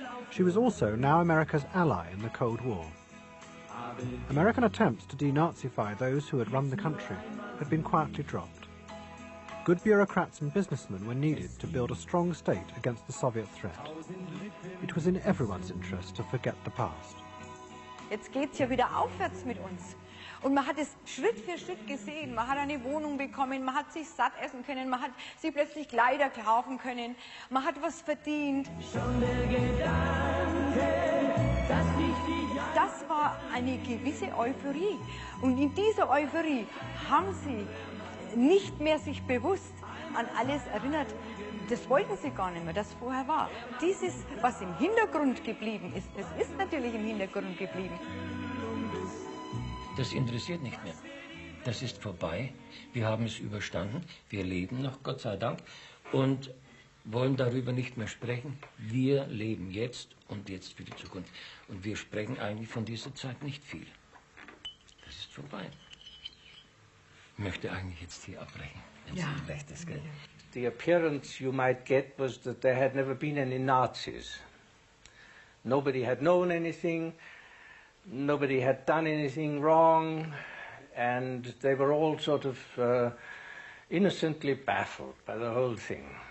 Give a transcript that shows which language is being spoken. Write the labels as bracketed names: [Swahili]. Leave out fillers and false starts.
[English] She was also now America's ally in the Cold War. American attempts to denazify those who had run the country had been quietly dropped. Good bureaucrats and businessmen were needed to build a strong state against the Soviet threat. It was in everyone's interest to forget the past. [German] Jetzt geht's hier wieder aufwärts mit uns. Und man hat es Schritt für Schritt gesehen. Man hat eine Wohnung bekommen, man hat sich satt essen können, man hat sich plötzlich Kleider kaufen können, man hat was verdient. Schon der Gedanke, dass nicht die Jahre. Das war eine gewisse Euphorie. Und in dieser Euphorie haben sie nicht mehr sich bewusst an alles erinnert. Das wollten sie gar nicht mehr, das vorher war. Dieses, was im Hintergrund geblieben ist, das ist natürlich im Hintergrund geblieben. Das interessiert nicht mehr. Das ist vorbei. Wir haben es überstanden. Wir leben noch, Gott sei Dank. Und wollen darüber nicht mehr sprechen. Wir leben jetzt und jetzt für die Zukunft. Und wir sprechen eigentlich von dieser Zeit nicht viel. Das ist vorbei. Ich möchte eigentlich jetzt hier abbrechen, wenn es Ihnen recht ist, gell? [English] The appearance you might get was that there had never been any Nazis. Nobody had known anything. Nobody had done anything wrong, and they were all sort of innocently baffled by the whole thing.